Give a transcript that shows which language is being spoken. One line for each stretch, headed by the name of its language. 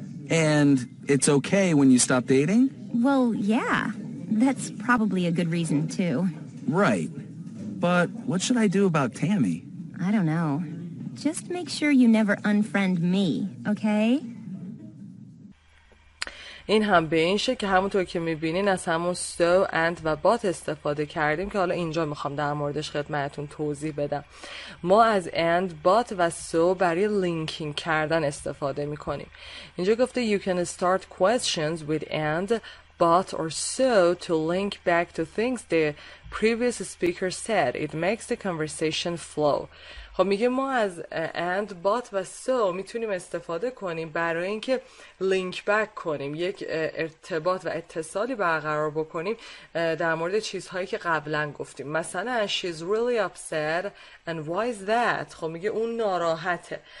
English: And it's okay when you stop dating? Well, yeah. That's probably a good reason, too. Right. But what should I do about Tammy? I don't know. Just make sure you never unfriend me, okay?
Persian: این هم به این شکل که همونطور که میبینین از همون so and و but استفاده کردیم که حالا اینجا میخوام در موردش خدمتون توضیح بدم. ما از and, but و so برای لینکینگ کردن استفاده میکنیم. اینجا گفته
English: you can start questions with and, but or so to link back to things the previous speaker said. It makes the conversation flow.
Persian: خب میگه ما از and, but و so میتونیم استفاده کنیم برای اینکه link back کنیم، یک ارتباط و اتصالی برقرار بکنیم در مورد چیزهایی که قبلا گفتیم. مثلا
English: she's really upset and why is that؟
Persian: خب میگه اون ناراحته.